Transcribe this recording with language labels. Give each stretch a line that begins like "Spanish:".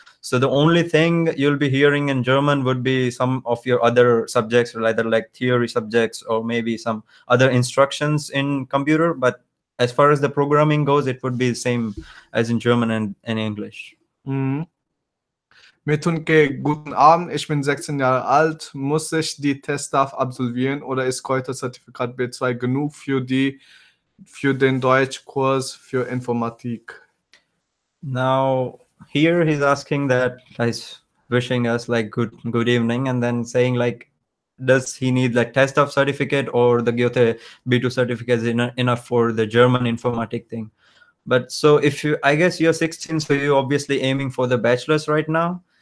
English: So the only thing you'll be hearing in German would be some of your other subjects, or either like theory subjects or maybe some other instructions in computer. But as far as the programming goes, it would be the same as in German and in English.
German: Mehul, guten Abend. Ich bin 16 Jahre alt. Muss ich die Teststaff absolvieren oder ist Kräuterzertifikat B2 genug für den Deutschkurs für Informatik?
English: Now, here he's asking that, he's wishing us like good evening, and then saying like, does he need like Teststaff certificate or the Goethe B2 certificate is enough for the German informatic thing? But so if you, I guess you're 16, so you're obviously aiming for the bachelor's right now.